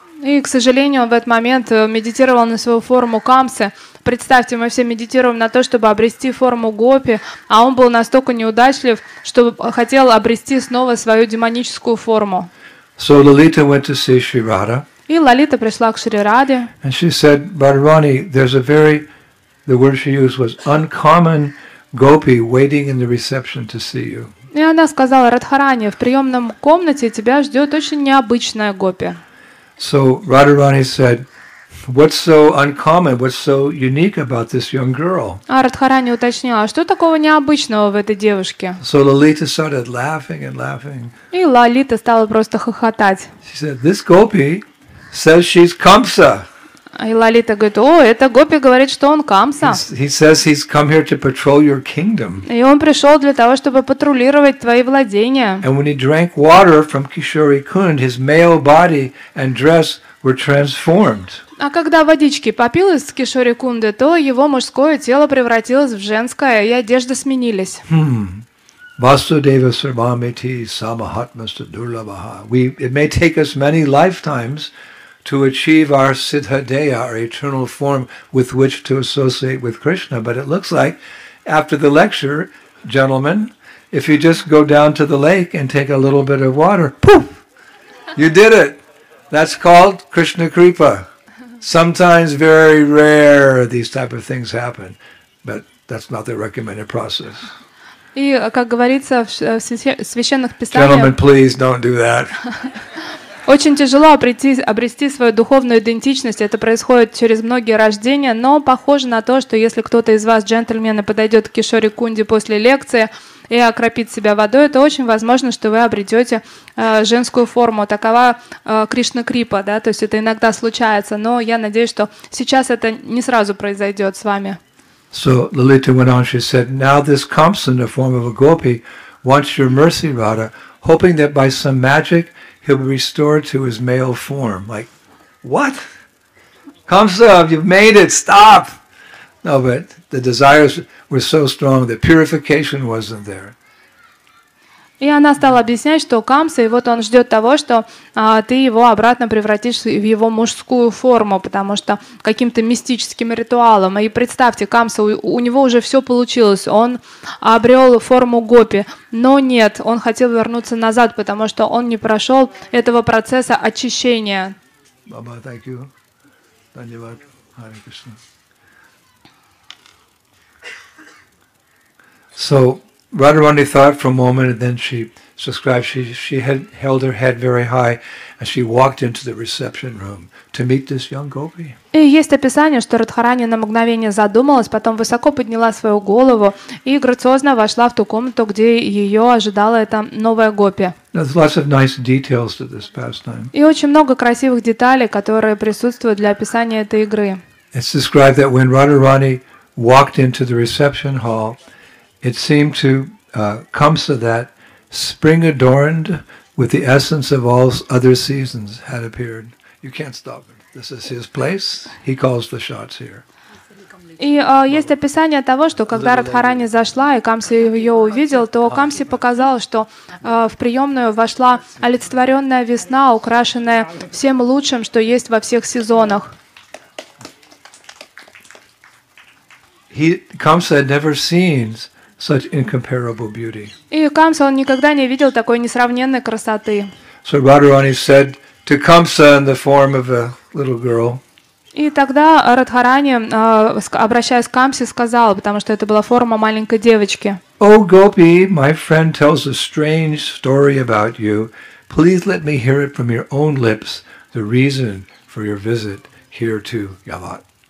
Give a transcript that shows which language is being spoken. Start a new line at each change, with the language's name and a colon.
Russian: И, к сожалению, он в этот момент медитировал на свою форму Камсы. Представьте, мы все медитируем на то, чтобы обрести форму гопи, а он был настолько неудачлив, что хотел обрести снова свою демоническую форму.
English: So Lalita went to see Shri Radha.
Russian: И Лалита пришла к Шри Раде.
English: And she said, Bharvani, there's a very, the word she used was uncommon gopi waiting in the reception to see you.
Russian: И она сказала, Радхарани, в приемном комнате тебя ждет очень необычная гопи.
English: So Radharani said, what's so uncommon, what's so unique about this young girl?
Russian: А Радхарани уточнила, что такого необычного в этой девушке?
English: So Lalita started laughing and laughing.
Russian: И Лалита стала просто хохотать.
English: She said, this gopi says she's Kamsa.
Russian: И Лалита говорит, о, это гопи говорит, что он Камса.
English: He says he's come here to patrol your kingdom.
Russian: И он пришел для того, чтобы патрулировать твои владения.
English: And when he drank water from Kishori Kund, his male body and dress were transformed.
Russian: А когда водички попил из Кишори Кунды, то его мужское тело превратилось в женское, и одежда сменились.
Sanskrit: Hmm. Vasudeva Sarvamiti Samahatmasta Durlabaha.
English: It may take us many lifetimes to achieve our siddhadeya, our eternal form with which to associate with Krishna, but it looks like after the lecture, gentlemen, if you just go down to the lake and take a little bit of water, poof, you did it. That's called Krishna Kripa. Sometimes very rare these type of things happen, but that's not the recommended process.
Russian: И как говорится в священных писаниях.
English: Gentlemen, please don't do that.
Russian: Очень тяжело обрести свою духовную идентичность. Это происходит через многие рождения, но похоже на то, что если кто-то из вас, джентльмены, подойдет к Кишори Кунде после лекции и окропит себя водой, то очень возможно, что вы обретете женскую форму. Такова Кришна Крипа, да, то есть это иногда случается, но я надеюсь, что сейчас это не сразу произойдет с вами.
English: So Lalita went on, she said, now this Kamsa in the form of a gopi wants your mercy, Radha, hoping that by some magic he'll be restored to his male form. Like, what? Kamsa, you've made it, stop! No, but the desires were so strong that purification wasn't there.
Russian: И она стала объяснять, что Камса, и вот он ждет того, что ты его обратно превратишь в его мужскую форму, потому что каким-то мистическим ритуалом. И представьте, Камса, у него уже все получилось, он обрел форму гопи, но нет, он хотел вернуться назад, потому что он не прошел этого процесса очищения.
English: Баба, thank you. Dhanyavad. Hare Krishna. So, Radharani thought for a moment, and then she described she had held her head very high, and she walked into the reception room to meet this young gopi.
Russian: И есть описание, что Радхарани на мгновение задумалась, потом высоко подняла свою голову и грациозно вошла в ту комнату, где ее ожидала эта новая гопи.
English: There's lots of nice details to this pastime.
Russian: И очень много красивых деталей, которые присутствуют для описания этой игры.
English: It's described that when Radharani walked into the reception hall, it seemed to Kamsa that spring adorned with the essence of all other seasons had appeared. You can't stop it. This is his place. He calls the shots here.
Russian: И есть описание того, что когда Радхарани зашла и Камса ее увидел, то Камсе показал, что в приемную вошла олицетворенная весна, украшенная всем лучшим, что есть во всех сезонах.
English: Камса had never seen such incomparable beauty.
Russian: И Камса, он никогда не видел такой несравненной красоты.
English: So Radharani said to Kamsa in the form of a little girl.
Russian: И тогда Радхарани, обращаясь к Камсе, сказал, потому что это была форма маленькой девочки.
English: Oh Gopi, my friend tells a strange story about you. Please let me hear it from your own lips, the reason for your visit here to Yavat.